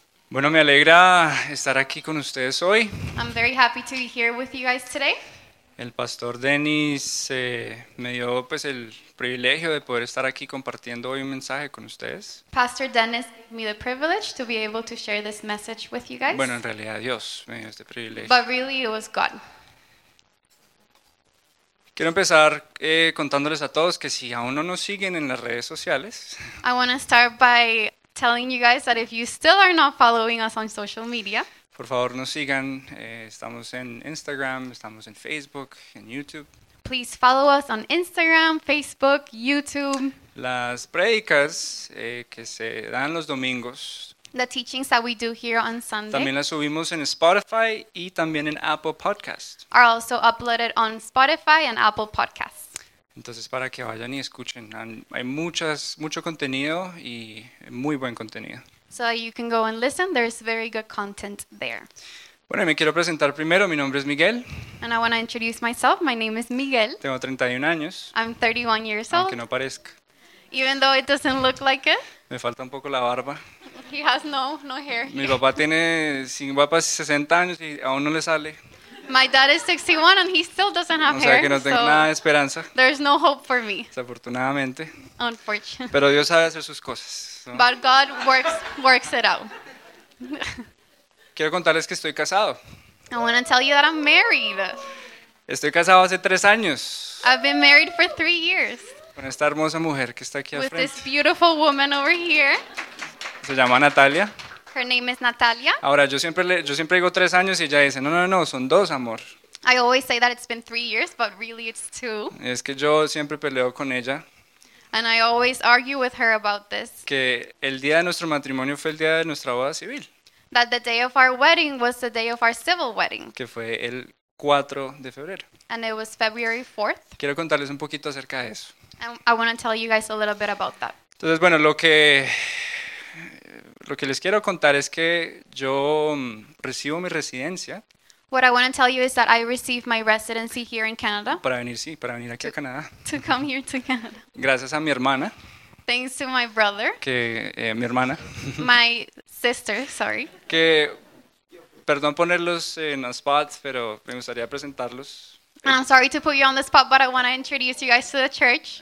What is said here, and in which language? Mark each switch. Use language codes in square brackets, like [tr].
[es] Bueno, me alegra estar aquí con ustedes hoy. [en] I'm very happy to be here with you guys today. [es] El pastor Dennis me dio pues el privilegio de poder estar aquí compartiendo hoy un mensaje con ustedes. [en] Pastor Dennis gave me the privilege to be able to share this message with you guys. [es] Bueno, en realidad Dios me dio este privilegio. [en] But really it was God. [es] Quiero empezar contándoles a todos que si aún no nos siguen en las redes sociales. [en] I want to start by telling you guys that if you still are not following us on social media. [es] Por favor, nos sigan. Estamos en Instagram, estamos en Facebook, en YouTube. [en] Please follow us on Instagram, Facebook, YouTube. [es] Las prédicas que se dan los domingos. [en] The teachings that we do here on Sunday. [es] También las subimos en Spotify y también en Apple Podcast. [en] Are also uploaded on Spotify and Apple Podcasts. [es] Entonces para que vayan y escuchen, hay mucho contenido y muy buen contenido. [en] So you can go and listen. There's very good content there. [es] Bueno, me quiero presentar primero. Mi nombre es Miguel. [en] And I want to introduce myself. My name is Miguel. [es] Tengo 31 años. [en] I'm 31 years old. [es] Aunque no parezca. [en] Even though it doesn't look like it. [es] Me falta un poco la barba. [en] He has no hair. [es] Mi papá tiene 60 años y aún no le sale. [en] My dad is 61 and he still doesn't have hair. [es] O sea que no tengo nada de esperanza. [en] There's no hope for me. [es] Desafortunadamente. [en] Unfortunately. [es] Pero Dios sabe hacer sus cosas. [en] ¿No? But God works it out. [es] Quiero contarles que estoy casado. [en] I want to tell you that I'm married. [es] Estoy casado hace 3 años. [en] I've been married for 3 years. [es] Con esta hermosa mujer que está aquí al frente. [en] With this beautiful woman over here. [es] Se llama Natalia. [en] Her name is Natalia. [es] Ahora, yo siempre digo 3 años y ella dice, no, son 2, amor. [en] I always say that it's been 3 years, but really it's 2. [es] Es que yo siempre peleo con ella. [en] And I always argue with her about this. [es] Que el día de nuestro matrimonio fue el día de nuestra boda civil. [en] That the day of our wedding was the day of our civil wedding. [es] Que fue el 4 de febrero. [en] And it was February 4th. [es] Quiero contarles un poquito acerca de eso. [en] I want to tell you guys a little bit about that. [es] Entonces, bueno, lo que les quiero contar es que yo recibo mi residencia. [en] What I want to tell you is that I received my residency here in Canada. [es] Para venir aquí a Canadá. [en] To come here to Canada. [es] Gracias a mi hermana. [en] Thanks to my brother. [es] Que mi hermana. [en] My sister, sorry. [es] Que perdón ponerlos en [en] a spot, [es] pero me gustaría presentarlos. [en] I'm sorry to put you on the spot, but I want to introduce you guys to the church.